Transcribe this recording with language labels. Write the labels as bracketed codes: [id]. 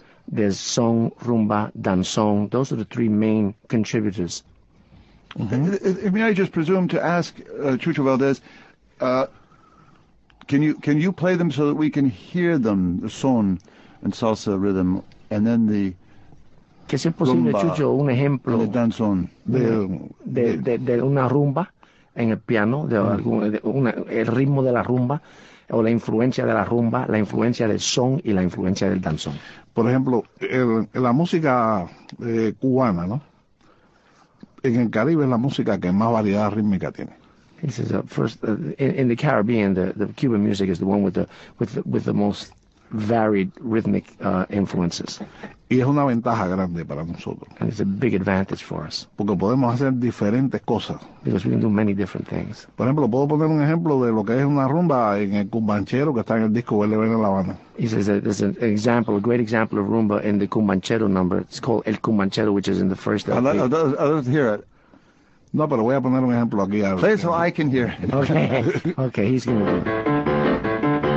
[en] There's song, rumba, danzón. Those are the three main contributors. Mm-hmm. May I just presume to ask Chucho Valdez, can you play them so that we can hear them, the son and salsa rhythm, and then the [es] que sea posible, Chucho, un ejemplo de danzón de una rumba en el piano, de, mm-hmm. algún, de una, el ritmo de la rumba o la influencia de la rumba, la influencia del son y la influencia del danzón. Por ejemplo, la música cubana, ¿no? En el Caribe es la música que más variedad rítmica tiene. [en] He says, in the Caribbean, the Cuban music is the one with the most varied rhythmic influences. [es] Y es una ventaja grande para nosotros. [en] And it's a big advantage for us. [es] Porque podemos hacer diferentes cosas. [en] Because we can do many different things. [es] Por ejemplo, puedo poner un ejemplo de lo que es una rumba en el Cumbanchero que está en el disco Huele Bien en La Habana. [en] He says that there's an example, a great example of rumba in the Cumbanchero number. It's called El Cumbanchero, which is in the first LP. I'd hear it. [es] No, pero voy a poner un ejemplo aquí. [en] Play so I can hear. Okay, he's going to do it.